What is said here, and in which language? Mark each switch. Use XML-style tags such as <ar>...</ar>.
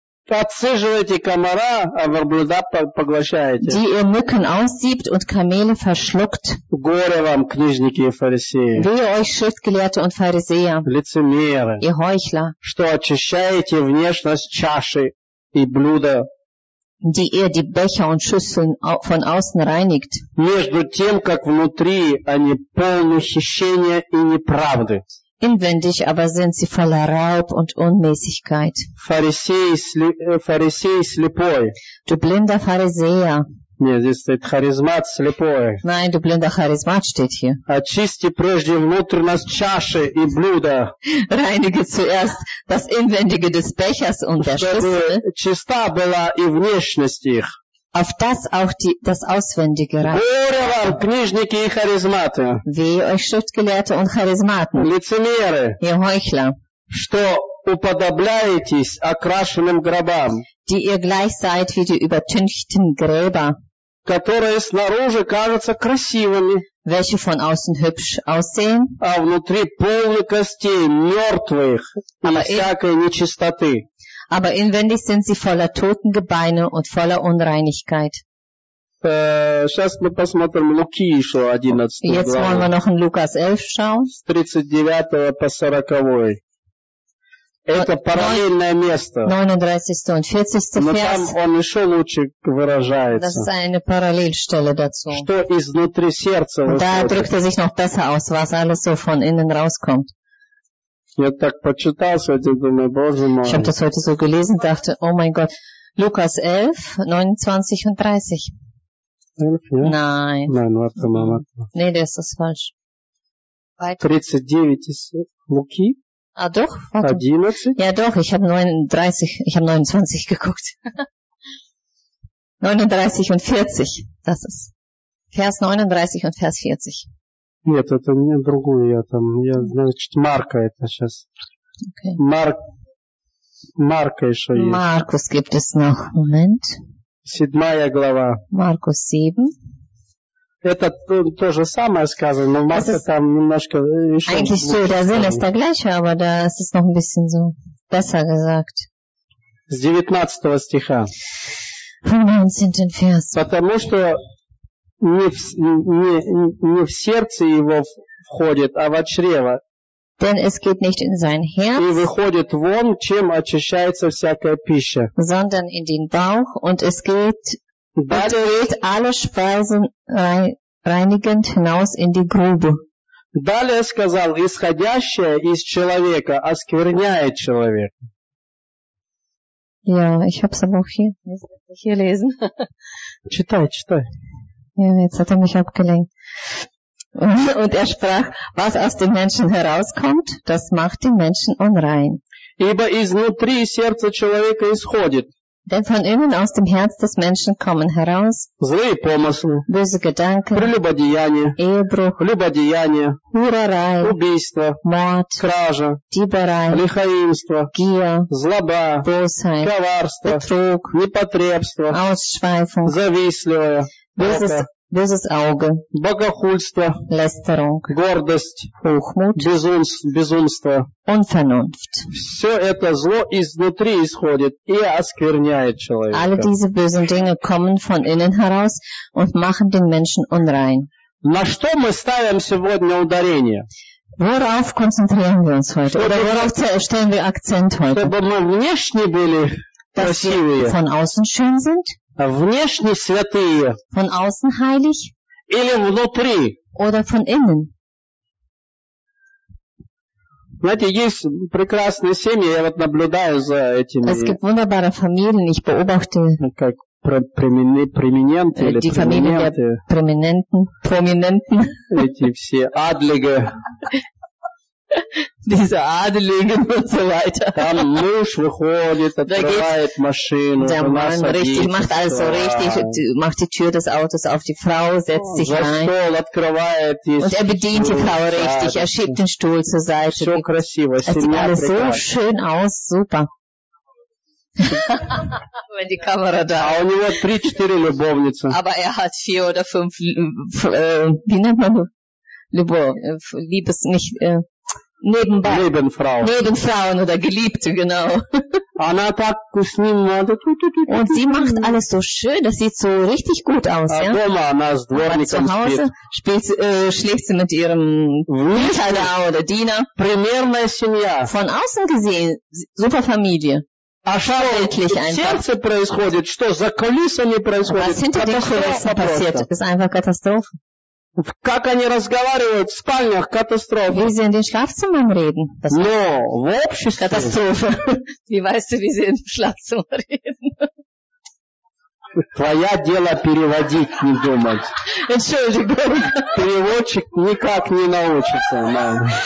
<ru>Отсыживаете комара, а верблюда поглощаете.</ru> <de>Die ihr Mücken aussiebt und Kamele verschluckt.</de> <ru>Горе вам, книжники и фарисеи.</ru> <de>Wehe euch, Schriftgelehrte und Pharisäer.</de> <ru>Лицемеры.</ru> <de>Ihr Heuchler.</de> <ru>Что очищаете внешность чаши и блюда.</ru> <de>Die ihr die Becher und Schüsseln von außen reinigt.</de> <ru>Между тем, как внутри они полны хищения и неправды.</ru> <de>Inwendig aber sind sie voller Raub und Unmäßigkeit.</de> <ru>Pharisäer слепой.</ru> <de>Du blinder Pharisäer.</de> <ru>Нет, здесь стоит харизмат слепой.</ru> <de>Nein, du blinder Charismat steht hier.</de> <ru>Очисти прежде внутренность чаши и блюда.</ru> <de>Reinige zuerst das Inwendige des Bechers und der Schüssel.</de> <ru>Чиста была и внешность их.</ru> <de>Auf das auch das Auswendige reicht. Wehe euch, Schriftgelehrte und Charismaten.</de> <ru>Лицемеры.</ru> <de>Ihr Heuchler.</de> <ru>Что уподобляетесь окрашенным гробам.</ru> <de>Die ihr gleich seid wie die übertünchten Gräber.</de> <ru>Которые снаружи кажутся красивыми.</ru> <de>Welche von außen hübsch aussehen.</de> <ru>А внутри полны костей мертвых и всякой нечистоты.</ru> <de>Aber inwendig sind sie voller toten Gebeine und voller Unreinigkeit. Jetzt wollen wir noch in Lukas 11 schauen.</de> <ru>39 по 40. Это параллельное место.</ru> <de>39 und 40.</de> <ru>Но там он еще лучше выражается.</ru> <de>Das ist eine Parallelstelle dazu.</de> <ru>Что изнутри сердца выходит.</ru> <de>Da drückt sich noch besser aus, was alles so von innen rauskommt.</de> <ru>Я так почитал, сегодня думаю, Боже мой.</ru> <de>Ich habe das heute so gelesen, dachte, oh mein Gott. Lukas 11, 29 und 30. 11, ja? Nein. Nein, warte mal, warte. Nee, das ist falsch. Weiter. 39 ist Луки. Ah, doch, warte. 11? Ja, doch, ich habe 39, ich habe 29 geguckt. 39 und 40, das ist. Vers 39 und Vers 40.</de> <ru>Нет, это не другое, я там, я, значит, Марка это сейчас.</ru> <de>Okay.</de> <ru>Марка еще есть.</ru> <de>Маркус gibt es noch, Moment.</de> <ru>Седьмая глава.</ru> <de>Маркус 7.</de> <ru>Это то же самое сказано, но Марка там немножко еще...</ru> <de>Eigentlich so, der Sinn ist der gleiche, aber da ist es noch ein bisschen so, besser gesagt.</de> <ru>С 19 стиха.</ru> <de>Von 19 Vers.</de> <ru>Потому что... Не в сердце его входит, а в чрево.</ru> <de>Denn es geht nicht in sein Herz.</de> <ru>И выходит вон, чем очищается всякая пища.</ru> <de>Sondern in den Bauch und es geht durch alle Speisen reinigend hinaus in die Grube.</de> <ru>Далее сказал, исходящее из человека оскверняет человека.</ru> <de>Ja, ich hab's aber auch hier lesen.</de> <ru>Читай.</ru> <de>Ja, jetzt hat er mich abgelenkt. Und er sprach, was aus dem Menschen herauskommt, das macht den Menschen unrein.</de> <ru>Ибо изнутри сердца человека исходит.</ru> <de>Denn von innen aus dem Herz des Menschen kommen heraus</de> <ru>злые помыслы,</ru> <de>böse Gedanken,</de> <ru>прелюбодеяние,</ru> <de>Ehebruch,</de> <ru>любодеяние,</ru> <de>Хурерай,</de> <ru>убийство,</ru> <de>Mord,</de> <ru>кража,</ru> <de>Диберай,</de> <ru>лихоимство,</ru> <de>Gier,</de> <ru>злоба,</ru> <de>Bosheit,</de> <ru>коварство,</ru> <de>Betrug,</de> <ru>непотребство,</ru> <de>Ausschweifung,</de> <ru>завистливое,</ru> <de>Böses Auge,</de> <ru>богохульство,</ru> <de>Lästerung,</de> <ru>гордость,</ru> <de>Hochmut,</de> <ru>безумство,</ru> <de>Unvernunft.</de> <ru>Все это зло изнутри исходит и оскверняет человека.</ru> <de>Alle diese bösen Dinge kommen von innen heraus und machen den Menschen unrein.</de> <ru>На что мы ставим сегодня ударение?</ru> <de>Worauf konzentrieren wir uns heute? Oder worauf stellen wir Akzent heute?</de> <ru>Чтобы мы внешне были красивые.</ru> <de>Dass wir von außen schön sind?</de> <ru>Внешне святые.</ru> <de>Von außen heilig?</de> <ru>Или внутри?</ru> <de>Oder von innen?</de> <ru>Знаете, есть прекрасные семьи, я вот наблюдаю за этими.</ru> <de>Es gibt wunderbare Familien, ich beobachte.</de> <ru>Как Prominente или</ru> <de>die Familie der Prominenten.</de> <ru>Эти все адлиги.</ru> <de>Diese Adeligen und so weiter. Der Mensch</de> <ru>выходит, открывает машину.</ru> <de>Der Mann richtig, macht alles so richtig, macht die Tür des Autos auf, die Frau setzt sich rein. Und er bedient die Frau richtig, er schiebt den Stuhl zur Seite.</de> <ru>Все красиво,</ru> <de>es sieht alles so schön aus, super. Wenn die Kamera da.</de> <ru>А у него 3-4 любовницы.</ru> <de>Aber er hat 4 oder 5 wie nennt man Liebes nicht nebenbei. Nebenfrau. Nebenfrauen oder Geliebte, genau.</de> <ru>Она так с ним</ru> <de>und sie macht alles so schön, das sieht so richtig gut aus, ja.</de> <ru>Дома она с дворником</ru> <de>zu Hause schläft sie mit ihrem Mitarbeiter oder Diener.</de> <ru>Примерная семья.</ru> <de>Von außen gesehen super Familie.</de> <ru>А что сердце происходит? Что за кулисами происходит? Катастрофа. Как они разговаривают в спальнях? Катастрофа.</ru> <de>Wie sie in den Schlafzimmern reden?</de> <ru>Но в обществе. Катастрофа.</ru> <de>Wie weißt du, wie sie in den Schlafzimmern reden?</de> <ru>Твоя дело переводить, не думать.</ru> <de>Entschuldigung.</de> <ru>Переводчик никак не научится.</ru>